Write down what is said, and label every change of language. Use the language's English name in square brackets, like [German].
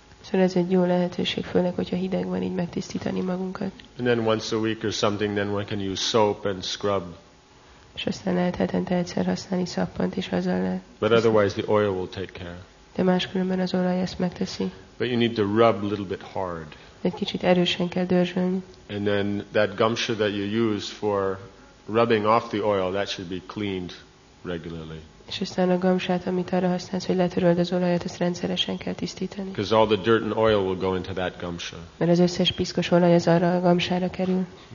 [Hungarian] Szóval ez egy jó lehetőség, főleg, hogyha hideg van, így megtisztítani magunkat. [English] And then once a week or something, then one can use soap and scrub. [Hungarian] És aztán lehet hetente egyszer használni szappant is azzal lehet. [English] But otherwise the oil will take care. [Hungarian] De máskülönben az olaj ezt megteszi. [English] But you need to rub a little bit hard. [Hungarian] Egy kicsit erősen kell dörzsölni. [English] And then that gumshoe that you use for rubbing off the oil, that should be cleaned regularly. [Hungarian] És aztán a gumsát, amit arra használsz, hogy letöröld az olajat, ezt rendszeresen kell tisztítani. [English] Because all the dirt and oil will go into that gumshoe. [Hungarian] Mert az összes piszkos olaj az arra a gumsára kerül.